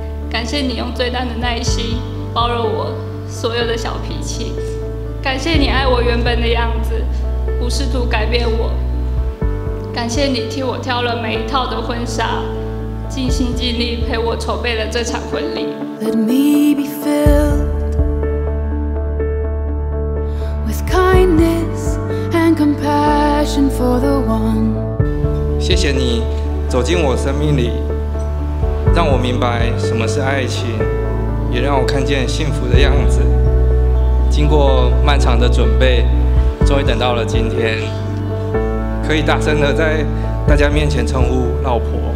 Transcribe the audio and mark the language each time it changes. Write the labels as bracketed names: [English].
[Chinese] 感谢你用最大的耐心包容我所有的小脾气，感谢你爱我原本的样子，不试图改变我。感谢你替我挑了每一套的婚纱，尽心尽力陪我筹备了这场婚礼。 [English] Let me be filled with kindness and compassion for the one。 [Chinese] 谢谢你走进我生命里，让我明白什么是爱情，也让我看见幸福的样子。经过漫长的准备，终于等到了今天，可以大声地在大家面前称呼老婆。